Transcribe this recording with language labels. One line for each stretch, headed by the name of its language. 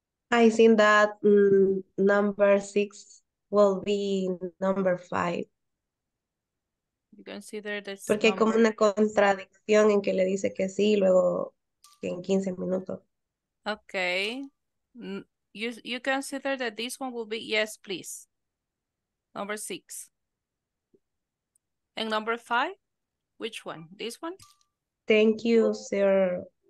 English: I think that number six will be number five. You can see there this
Spanish: Porque
English: number.
Spanish: Hay como una contradicción en que le dice que sí y luego que en 15 minutos.
English: Okay. You consider that this one will be yes, please. Number six. And number five? Which one? This one? Thank you, sir.